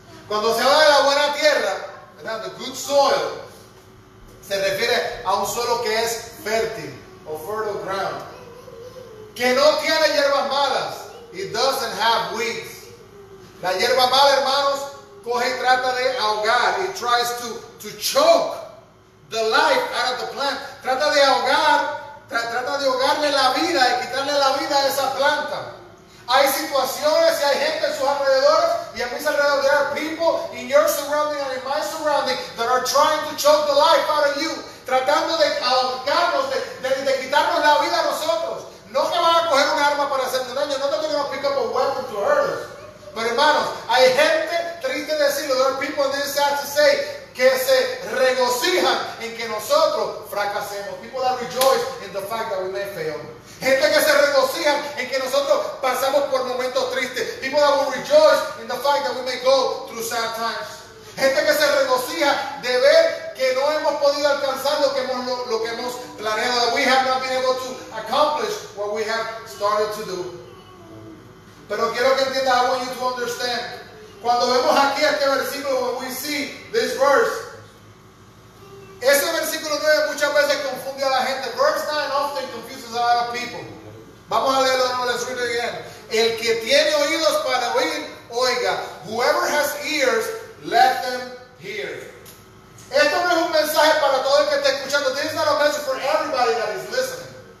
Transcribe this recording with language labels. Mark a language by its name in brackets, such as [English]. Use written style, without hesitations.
[Spanish] Cuando se habla de la buena tierra, ¿verdad? [English] The good soil, [Spanish] se refiere a un suelo que es fértil, o [English] fertile ground, [Spanish] que no tiene hierbas malas. [English] It doesn't have weeds. [Spanish] La hierba mala, hermanos, coge y trata de ahogar. [English] It tries to choke the life out of the plant. [Spanish] Trata de ahogar, trata de ahogarle la vida, de quitarle la vida a esa planta. Hay situaciones y hay gente en sus alrededores y a mis alrededores. [English] There are people in your surrounding and in my surrounding that are trying to choke the life out of you. [Spanish] Tratando de ahogarnos, de quitarnos la vida a nosotros. No que van a coger un arma para hacerte daño. No te queremos [English] pick up a weapon to hurt us. [Spanish] Pero hermanos, hay gente, triste decirlo, [English] there are people in this sad to say, [Spanish] que se regocijan en que nosotros fracasemos. [English] People that rejoice in the fact that we may fail. [Spanish] Gente que se regocija en que nosotros pasamos por momentos tristes. [English] People that will rejoice in the fact that we may go through sad times. [Spanish] Gente que se regocija de ver que no hemos podido alcanzar lo que hemos planeado. [English] That we have not been able to accomplish what we have started to do. [Spanish] Pero quiero que entiendas, [English] I want you to understand. [Spanish] Cuando vemos aquí este versículo, [English] when we see this verse, [Spanish] ese versículo 9 muchas veces confunde a la gente. [English] Verse 9 often confuses a lot of people. [Spanish] Vamos a leerlo de nuevo. [English] Let's read it again. [Spanish] El que tiene oídos para oír, oiga. [English] Whoever has ears, let them hear. [Spanish] Esto no es un mensaje para todo el que está escuchando. [English] This is not a message for everybody that is listening.